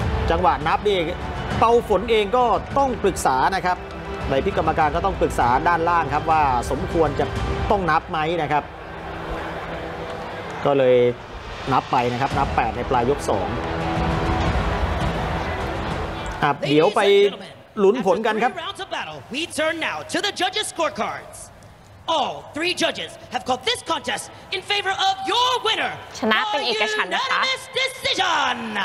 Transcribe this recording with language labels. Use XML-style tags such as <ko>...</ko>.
<th>จังหวะนับเองเป่าฝนเองก็ต้องปรึกษานะครับในพี่กรรมการก็ต้องปรึกษาด้านล่างครับว่าสมควรจะต้องนับไหมนะครับก็เลยนับไปนะครับนับ8ในปลายยก2ครับเดี๋ยวไปลุ้นผลกันครับ</th> <en>We turn now to the judges scorecards. All three judges have called this contest in favor of your winner.</en> <th>ชนะเป็นเอกฉันท์นะคะ</th> <en>Unanimous decision.</en>